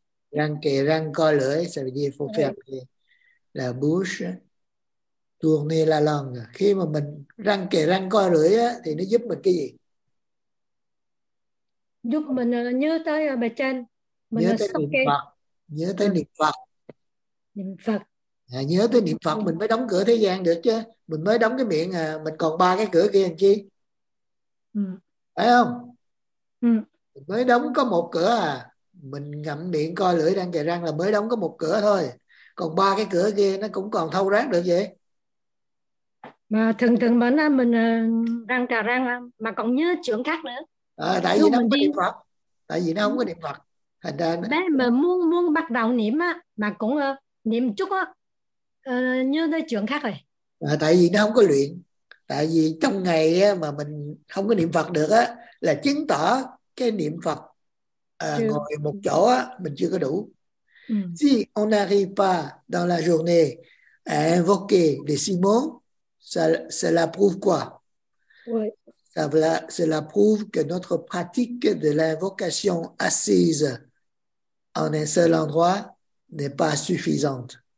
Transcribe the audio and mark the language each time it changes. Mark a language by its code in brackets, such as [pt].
[vi] Răng kề răng co lưỡi, [fr] ça veut dire faut faire la bouche tourner la langue. [vi] Khi mà mình răng kề răng co lưỡi á, thì nó giúp mình cái gì? Giúp mình nhớ tới bài trên, nhớ tới niệm Phật, nhớ tới niệm Phật, niệm Phật. À, nhớ tới niệm Phật mình mới đóng cửa thế gian được chứ, mình mới đóng cái miệng à, mình còn ba cái cửa kia làm chi? Phải không? Mình mới đóng có một cửa à. Mình ngậm miệng coi lưỡi đang kề răng là mới đóng có một cửa thôi, còn ba cái cửa kia nó cũng còn thâu rác được vậy. Mà thường thường mình răng cà răng mà còn nhớ chuyện khác nữa. Tại vì nó không có niệm Phật, tại vì nó không có niệm Phật. Thành ra nó... mà muốn bắt đầu niệm á, mà cũng niệm chút á, nhớ tới chuyện khác rồi. Tại vì nó không có luyện, tại vì trong ngày mà mình không có niệm Phật được á, là chứng tỏ cái niệm Phật ngồi một chỗ á, mình chưa có đủ. [fr] Si on n'arrive pas dans la journée à invoquer les six mots, cela prouve quoi? Cela prouve que notre pratique de l'invocation assise en un seul endroit n'est pas suffisante.